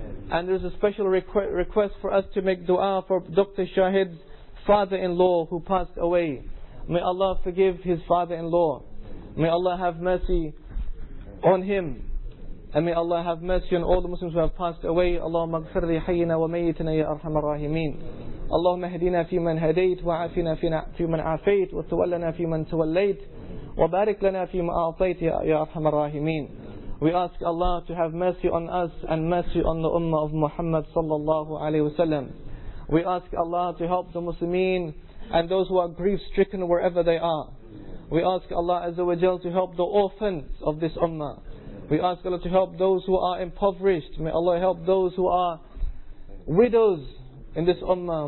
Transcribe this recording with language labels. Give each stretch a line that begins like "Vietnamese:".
English: And there's a special request for us to make dua for Dr. Shahid's father-in-law who passed away. May Allah forgive his father-in-law. May Allah have mercy on him. And may Allah have mercy on all the Muslims who have passed away.
Arabic: Allahumma ighfir li hayyina wa mayyitina ya arhamar rahimin. اللهم اهدنا فيمن هديت وعافنا فيمن عافيت وتولنا فيمن توليت وبارك لنا فيما أعطيت يا أرحم الراحمين.
English: We ask Allah to have mercy on us and mercy on the Ummah of Muhammad sallallahu alaihi wasallam. We ask Allah to help the Muslimin and those who are grief stricken wherever they are. We ask Allah Azza wa Jal to help the orphans of this Ummah. We ask Allah to help those who are impoverished. May Allah help those who are widows in this Ummah.